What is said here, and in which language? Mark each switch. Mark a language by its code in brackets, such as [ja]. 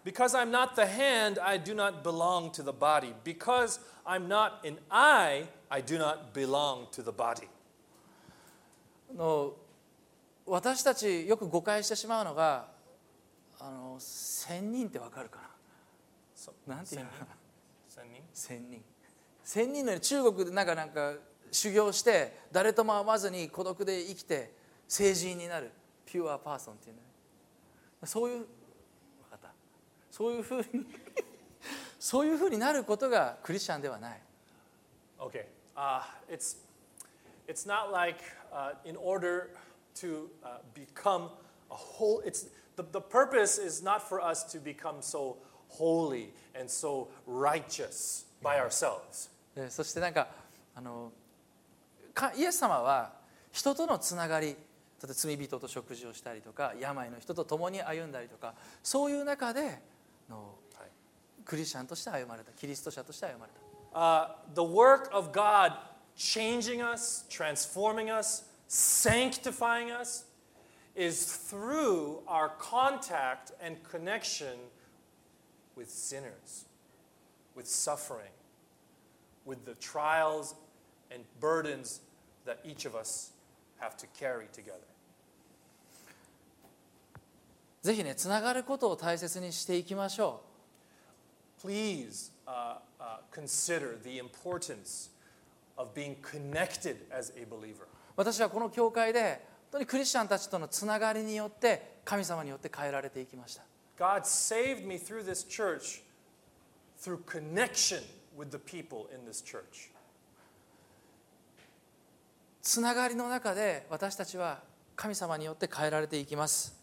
[en] Because I'm not the hand, I do not belong to the body. Because I'm not an eye, I do not belong to the body. [ja] の私たちよく誤解してしまうのが、あの仙人ってわかるかな。なんていうの？仙人。仙人のように中国でなんか修行して誰とも会わずに孤独で生きて聖人になるピュアパーソンっていうね。そういう分かった。そういうふうになることがクリスチャンではない。 [en] Okay. It's not like in order to become a whole. It's the purpose is not for us to become so holy and so righteous by ourselves. [ja] そしてなんかあのイエス様は人とのつながり、例えば罪人と食事をしたりとか、病の人と共に歩んだりとか、そういう中でのクリスチャンとして歩まれた、キリスト者として歩まれた。 [en] The work of God changing us, transforming us, sanctifying us is through our contact and connection with sinners, with suffering, with the trials and burdens that each of us have to carry together. [ja] ぜひね、つながることを大切にしていきましょう。 [en] Please consider the importance of being connected as a believer. [ja] 私はこの教会で本当にクリスチャンたちとのつながりによって神様によって変えられていきました。 [en] God saved me through this church through connection with the people in this church. [ja] つながりの中で私たちは神様によって変えられていきます。